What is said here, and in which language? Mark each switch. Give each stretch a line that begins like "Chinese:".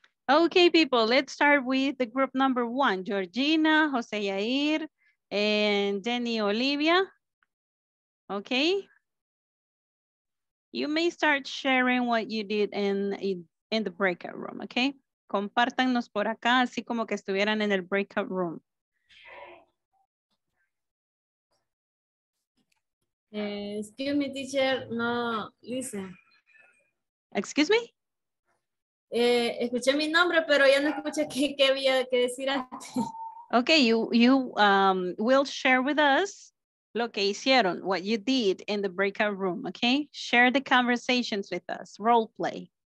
English: Okay, people, let's start with the group number one, Georgina, Jose Yair, and Jenny Olivia. Okay. You may start sharing what you did in the breakout room, okay?
Spanish: Compártanos por acá, así como que estuvieran en el breakout room.
English: Excuse me, teacher, no, listen. Excuse me?
Spanish: Escuché mi nombre, pero ya no escuché qué había que decir antes.
English: Okay, you will share with us
Spanish: lo que hicieron,
English: what you did in the breakout room, okay? Share the conversations with us, role play.